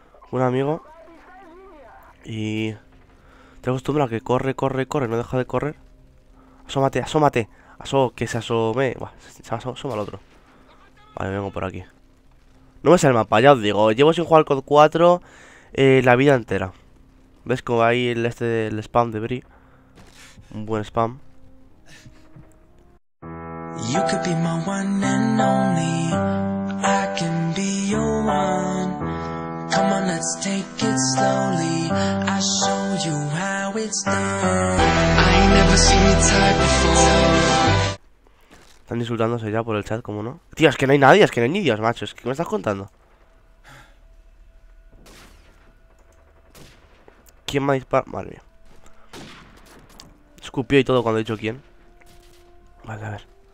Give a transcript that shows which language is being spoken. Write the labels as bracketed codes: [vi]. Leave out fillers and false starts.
[es] Un amigo. Y... Te acostumbro a que corre, corre, corre. No deja de correr. Asómate, asómate. Que se asome. Buah, se asoma el otro. Vale, vengo por aquí. No me sale el mapa, ya os digo. Llevo sin jugar con 4 la vida entera. ¿Ves cómo va ahí el spam de Bri? Un buen spam. [en] You could be my one and only. I can be your one. Come on, let's take it slowly. I'll show you how it's done. I ain't never seen your type before. [es] Están insultándose ya por el chat, ¿cómo no? Tío, es que no hay nadie, es que no hay ni Dios, macho. Es que me estás contando. ¿Quién me ha disparado? Madre mía. Escupió y todo cuando he dicho quién. Vale, a ver.